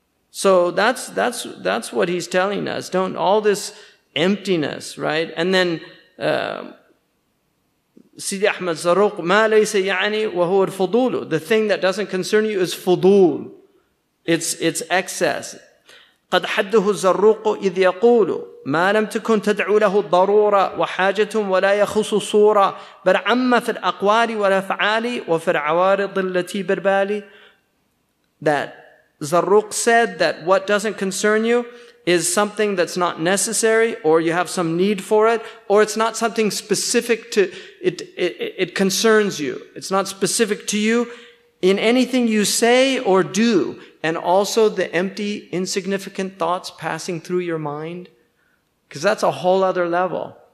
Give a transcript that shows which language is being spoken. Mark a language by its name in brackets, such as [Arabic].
[English] So that's what he's telling us. Don't all this emptiness, right? And then [Arabic] Sidi Ahmad Zarruq, ما ليس يعني وهو الفضول. [English] The thing that doesn't concern you is فضول. It's excess. [Arabic] قد حده الزروق إذ يقول ما لم تكن تدعو له ضرورة وحاجة ولا يخص صورة بل عم في الأقوال والأفعال وفي العوارض التي بربالي. [English] That Zarruq said that what doesn't concern you is something that's not necessary, or you have some need for it, or it's not something specific to it. It concerns you. It's not specific to you in anything you say or do, and also the empty, insignificant thoughts passing through your mind, because that's a whole other level.